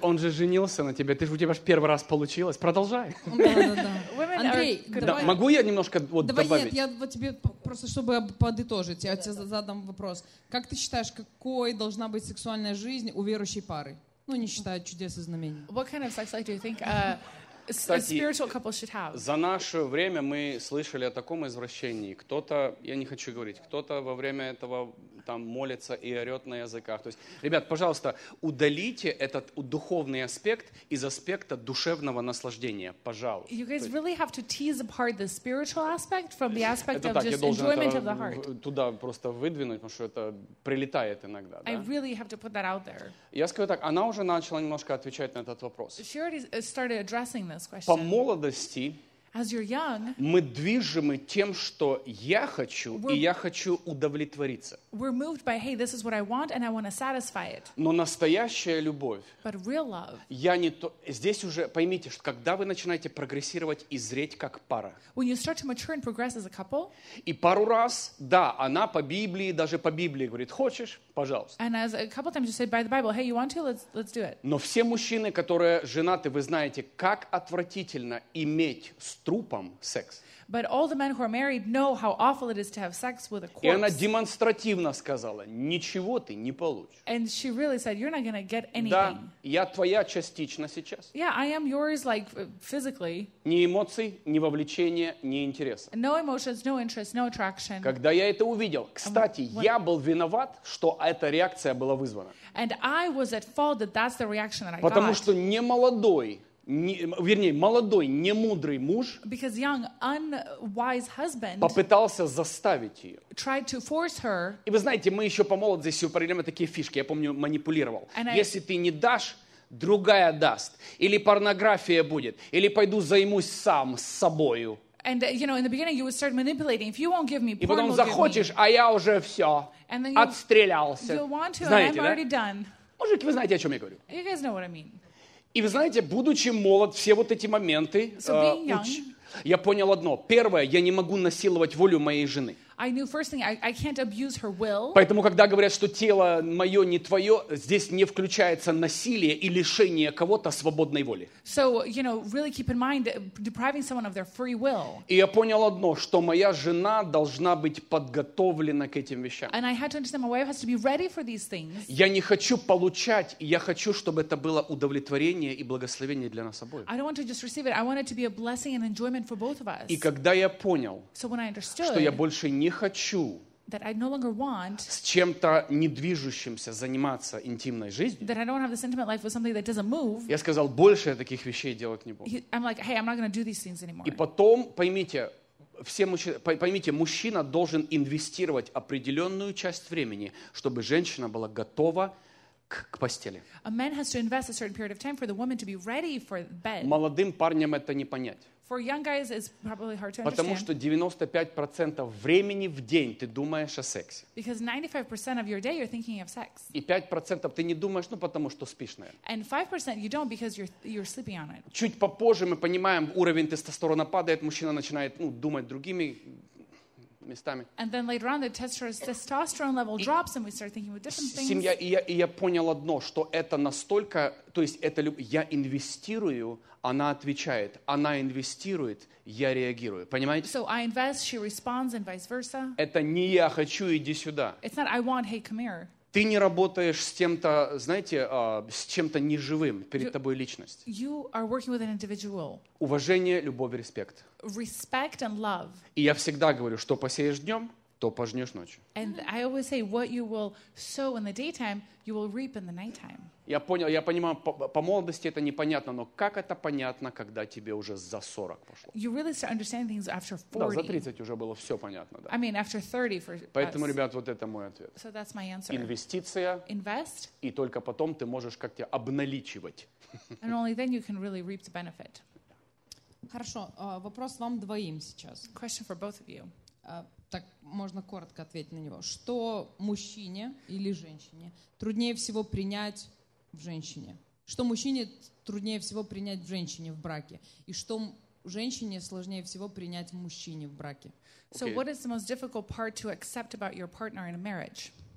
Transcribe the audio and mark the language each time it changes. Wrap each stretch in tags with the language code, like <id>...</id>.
<ru>Он же женился на тебе, ты же у тебя же первый раз получилось. Продолжай. Да. Андрей, давай, могу я немножко вот, давай, добавить? Давай, нет, я вот тебе просто, чтобы подытожить, я тебе задам вопрос. Как ты считаешь, какой должна быть сексуальная жизнь у верующей пары? Ну, не считая чудес и знамений.</ru> <en>What kind of sex life do you think a spiritual couple should have?</en> <ru>За наше время мы слышали о таком извращении. Кто-то, я не хочу говорить, кто-то во время этого там молится и орет на языках. То есть, ребят, пожалуйста, удалите этот духовный аспект из аспекта душевного наслаждения. Пожалуйста.</ru> <en>You guys really have to tease apart the spiritual aspect from the aspect</en> <ru>так,</ru> <en>of just enjoyment of the heart.</en> <ru>Туда просто выдвинуть, потому что это прилетает иногда. Да?</ru> <en>I really have to put that out there.</en> <ru>Я скажу так, она уже начала немножко отвечать на этот вопрос.</ru> <en>She already started addressing this question.</en> <ru>По молодости</ru> <en>as you're young,</en> <ru>мы движимы тем, что я хочу, и я хочу удовлетвориться.</ru> <en>We're moved by, hey, this is what I want, and I want to satisfy it.</en> <ru>Но настоящая любовь,</ru> <en>but real love,</en> <ru>я не то... Здесь уже поймите, что когда вы начинаете прогрессировать и зреть как пара,</ru> <en>when you start to mature and progress as a couple,</en> <ru>и пару раз, да, она по Библии, даже по Библии говорит, хочешь, пожалуйста.</ru> <en>And as a couple times you say by the Bible, hey, you want to, let's do it.</en> <ru>Но все мужчины, которые женаты, вы знаете, как отвратительно иметь с трупом секс.</ru> <en>But all the men who are married know how awful it is to have sex with a corpse.</en> <ru>И она демонстративно сказала, ничего ты не получишь.</ru> <en>And she really said, you're not going to get anything.</en> <ru>Да, я твоя частично сейчас.</ru> <en>Yeah, I am yours, like, physically.</en> <ru>Ни эмоций, ни вовлечения, ни интереса.</ru> <en>No emotions, no interest, no attraction.</en> <ru>Когда я это увидел, кстати, я был виноват, что эта реакция была вызвана.</ru> <en>And I was at fault that that's the reaction that I</en> <ru>потому</ru> <en>got.</en> <ru>Что не молодой, не, вернее, молодой, немудрый муж</ru> <en>young, unwise husband</en> <ru>попытался заставить ее.</ru> <en>Tried to force her.</en> <ru>И вы знаете, мы еще по молодости употребляем такие фишки. Я помню, манипулировал.</ru> <en>And</en> <ru>если ты не дашь, другая даст. Или порнография будет. Или пойду займусь сам с собою.</ru> <en>And, you know, in the beginning you would start manipulating. If you won't give me, porn,</en> <ru>и потом захочешь,</ru> <en>me.</en> <ru>А я уже все,</ru> <en>and then</en> <ru>отстрелялся.</ru> <en>You'll want to,</en> <ru>знаете,</ru> <en>and I'm already done.</en> <ru>Мужики, вы знаете, о чем я говорю.</ru> <en>You guys know what I mean.</en> <ru>И вы знаете, будучи молод, все вот эти моменты,</ru> <en>so being young,</en> <ru>я понял одно. Первое, я не могу насиловать волю моей жены.</ru> <en>I knew first thing, I can't abuse her will.</en> <ru>Поэтому, когда говорят, что тело мое не твое, здесь не включается насилие и лишение кого-то свободной воли.</ru> <en>So, you know, really keep in mind depriving someone of their free will.</en> <ru>И я понял одно, что моя жена должна быть подготовлена к этим вещам.</ru> <en>And I had to understand my wife has to be ready for these things.</en> <ru>Я не хочу получать, я хочу, чтобы это было удовлетворение и благословение для нас обоих.</ru> <en>I don't want to just receive it, I want it to be a blessing and enjoyment for both of us.</en> <ru>И когда я понял,</ru> <en>so when I understood,</en> <ru>что я больше не хочу</ru> <en>that I no longer want,</en> <ru>с чем-то недвижущимся заниматься интимной жизнью,</ru> <en>that I don't have this intimate life with something that doesn't move,</en> <ru>я сказал, больше я таких вещей делать не буду.</ru> <en>I'm like, hey, I'm not going to do these things anymore.</en> <ru>И потом, поймите, все мужчины, поймите, мужчина должен инвестировать определенную часть времени, чтобы женщина была готова к постели.</ru> <en>A man has to invest a certain period of time for the woman to be ready for bed.</en> <ru>Молодым парням это не понять.</ru> <en>For young guys, it's probably hard to understand.</en> <ru>Потому что 95% времени в день ты думаешь о сексе.</ru> <en>Because 95% of your day you're thinking of sex.</en> <ru>И 5% ты не думаешь, ну потому что спишь на это.</ru> <en>And 5% you don't because you're sleeping on it.</en> <ru>Чуть попозже мы понимаем, уровень тестостерона падает, мужчина начинает, ну, думать другими местами.</ru> <en>And then later on the testosterone level drops and we start thinking with different things.</en> <ru>Семья, и я понял одно, что это настолько, то есть это я инвестирую, она отвечает. Она инвестирует, я реагирую. Понимаете?</ru> <en>So I invest, she responds and vice versa.</en> <ru>Это не я хочу, иди сюда.</ru> <en>It's not I want, hey, come here.</en> <ru>Ты не работаешь с тем-то, знаете, с чем-то неживым перед тобой личность.</ru> <en>You are working with an individual.</en> <ru>Уважение, любовь и респект.</ru> <en>Respect and love.</en> <ru>И я всегда говорю, что посеешь днем, то пожнешь ночью.</ru> <en>And I always say, what you will sow in the daytime, you will reap in the nighttime.</en> <ru>Я понял, я понимаю, по молодости это непонятно, но как это понятно, когда тебе уже за 40 пошло?</ru> <en>You really start understanding things after 40.</en> <ru>Да, за 30 уже было все понятно, да.</ru> <en>I mean, after 30 for us.</en> <ru>Поэтому, ребят, вот это мой ответ.</ru> <en>So that's my answer.</en> <ru>Инвестиция.</ru> <en>Invest.</en> <ru>И только потом ты можешь как-то обналичивать.</ru> <en>And only then you can really reap the benefit.</en> <ru>Хорошо, вопрос вам двоим сейчас.</ru> <en>Question for both of you.</en> <ru>Так можно коротко ответить на него. Что мужчине или женщине труднее всего принять в женщине? Что мужчине труднее всего принять в женщине в браке? И что женщине сложнее всего принять в мужчине в браке?</ru> <en>So what is the most difficult part to accept about your partner in a marriage?</en>